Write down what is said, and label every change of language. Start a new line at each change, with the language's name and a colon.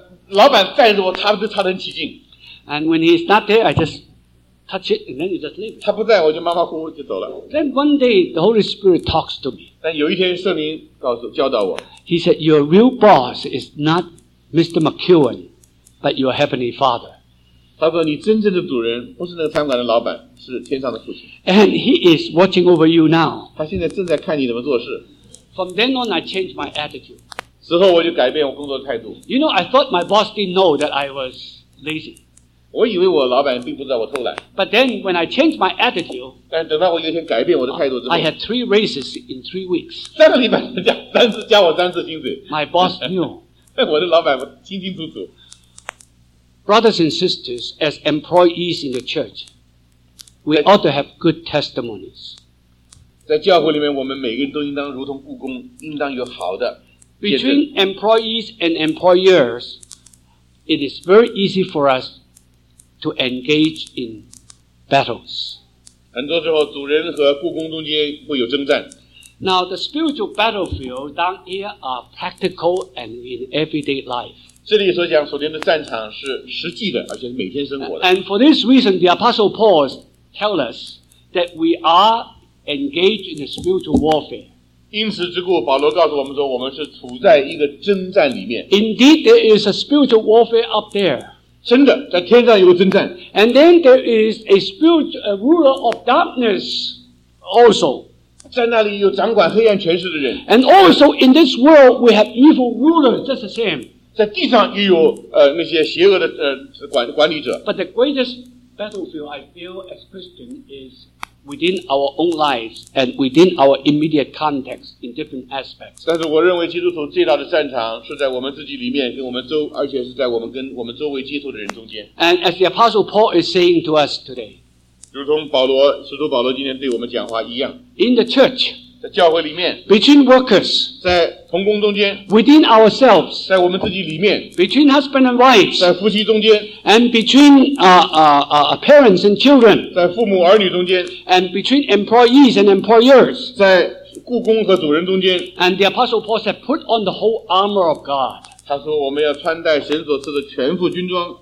Chinese: 老板带着我擦就擦得很起劲。
English: And when he's not there, I just. Touch it, and then you just leave.
Chinese: 他不在，我就马马虎虎就走了。
English: Then one day the Holy Spirit talks to me.
Chinese: 但有一天圣灵教导我。
English: He said, "Your real boss is not Mr. McEwen, but your heavenly Father."
Chinese: 他说你真正的主人不是那个餐馆的老板，是天上的父亲。
English: And he is watching over you now.
Chinese: 他现在正在看你怎么做事。
English: From then on, I changed my attitude.
Chinese: 之后我就改变我工作的态度。
English: You know, I thought my boss didn't know that I was lazy.
Chinese: 我以为我老板并不知道我偷懒。
English: But then when I changed my attitude,
Chinese: 但等到我有一天改变我的态度之后
English: I had 3 raises in 3 weeks.
Chinese: 三个礼拜三次加我三次薪水。
English: My boss knew.
Chinese: 我的老板清清楚楚。
English: Brothers and sisters, as employees in the church, we ought to have good testimonies.
Chinese: 在教会里面我们每个人都应当如同雇工应当有好的。
English: Between employees and employers, it is very easy for us to engage in battles.
Chinese: 很多时候主人和雇工中间会有征战。
English: Now, the spiritual battlefield down here are practical and in everyday life.
Chinese: 这里所讲所谓的战场是实际的而且是每天生活的
English: And for this reason the Apostle Paul tells us that we are engaged in a spiritual warfare
Chinese: 因此之故保罗告诉我们说我们是处在一个征战里面
English: Indeed there is a spiritual warfare up there
Chinese: 真的在天上有个征战
English: And then there is a spiritual ruler of darkness also
Chinese: 在那里有掌管黑暗权势的人
English: And also in this world we have evil rulers just the same
Chinese: 在地上也有那些邪恶的管理者。
English: But the greatest battlefield I feel as Christian is within our own lives and within our immediate context in different aspects.
Chinese: 但是我认为基督徒最大的战场是在我们自己里面跟我们周而且是在我们跟我们周围接触的人中间。
English: And as the Apostle Paul is saying to us today,
Chinese: 如同保罗使徒保罗今天对我们讲话一样。
English: In the church,
Chinese: 在教会里面
English: Between workers
Chinese: 在同工中间
English: Within ourselves
Chinese: 在我们自己里面
English: Between husband and wife
Chinese: 在夫妻中间
English: And between parents and children
Chinese: 在父母儿女中间
English: And between employees and employers
Chinese: 在雇工和主人中间
English: And the Apostle Paul said put on the whole armor of God
Chinese: 他说我们要穿戴神所赐的全副军装